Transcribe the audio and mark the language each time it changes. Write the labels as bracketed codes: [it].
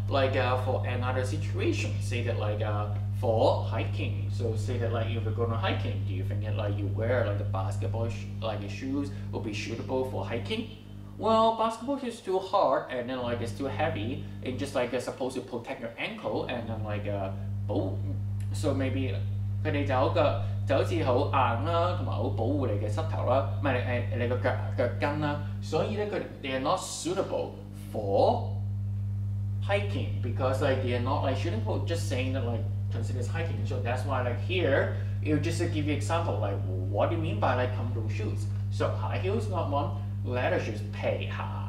[en] Like for another situation, say that like for hiking. So say that like if you're going hiking, do you think that like you wear like a basketball shoes would be suitable for hiking? Well, basketball shoes too hard and then like it's too heavy and just like it's supposed to protect your ankle and then like boom. So maybe, [yue] 佢哋就好似好硬啦，同埋好保護你嘅膝頭啦，唔係你個腳跟啦。所以咧，佢 [en] they are not suitable for hiking because like they are not like shouldn't put just saying that like consider as hiking. So that's why like here it will just give you example like what do you mean by like comfortable shoes? So high heels not one, leather shoes [yue] 皮鞋